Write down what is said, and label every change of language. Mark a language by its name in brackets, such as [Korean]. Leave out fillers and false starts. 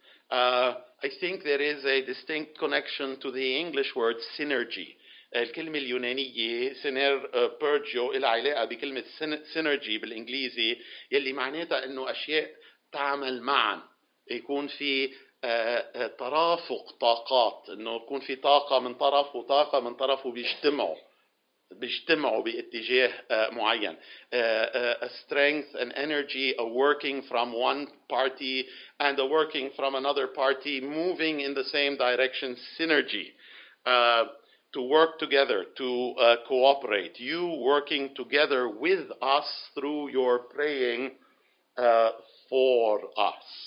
[English] I think there is a distinct connection to the English word synergy. [Arabic] الكلمة اليونانية synergio العلاقة بكلمة synergy بالإنجليزي يلي معناتها إنه أشياء تعمل معا يكون في ترافق طاقات إنه يكون في طاقة من طرف وطاقة من طرف وبيجتمعوا باتجاه معين. [English] A strength and energy a working from one party and a working from another party moving in the same direction, synergy. To work together, to cooperate. You working together with us through your praying for us.